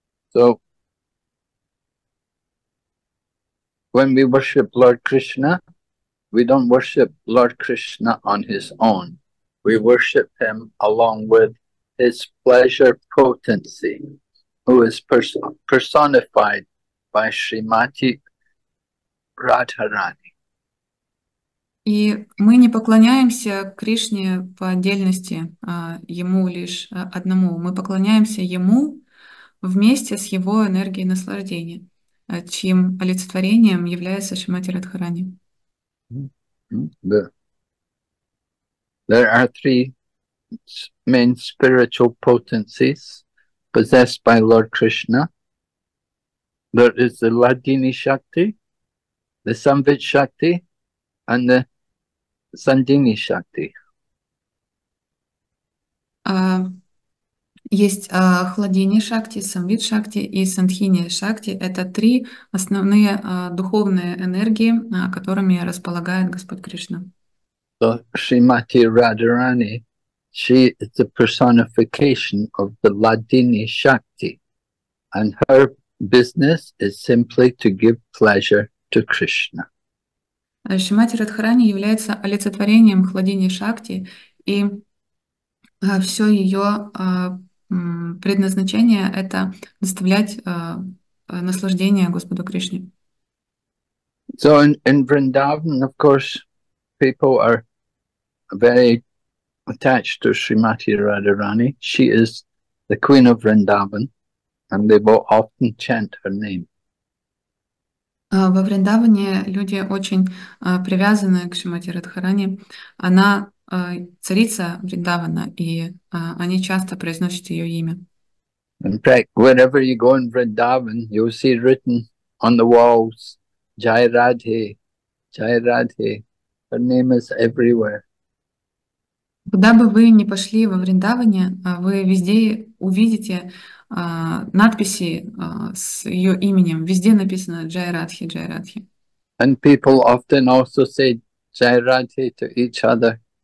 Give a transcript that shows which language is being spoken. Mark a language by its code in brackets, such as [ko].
[en] So, when we worship Lord Krishna, we don't worship Lord Krishna on his own. We worship him along with his pleasure potency, who is personified by Srimati Радхарани. [ru] И мы не поклоняемся Кришне по отдельности, ему лишь одному. Мы поклоняемся ему вместе с его энергией наслаждения, чьим олицетворением является Шримати Радхарани. [en] There are three main spiritual potencies possessed by Lord Krishna. There is the Ladini Shakti, the Samvit Shakti, and the Sandini Shakti. [ru] Есть Хладини Шакти, Самвит Шакти и Сандхини Шакти. Это три основные духовные энергии, которыми располагает Господь Кришна. [en] So, Srimati Radharani, she is the personification of the Ladini Shakti, and her business is simply to give pleasure to Krishna. [ru] Шримати Радхарани является олицетворением Хладини Шакти, и все ее предназначение — это доставлять наслаждение Господу Кришне. [en] So in Vrindavan, of course, people are very attached to Srimati Radharani. She is the queen of Vrindavan, and they will often chant her name. [ru] Во Вриндаване люди очень привязаны к Шримати Радхарани. Она царица Вриндавана, и они часто произносят ее имя. [en] In fact, wherever you go in Vrindavan, you'll see written on the walls, Jai Radhe, Jai Radhe. Her name is everywhere. [ru] Куда бы вы ни пошли во Вриндаване, вы везде увидите надписи с ее именем. Везде написано Джай Радхи, Джай Радхи. [en] And people often also say Джай Радхи to each other.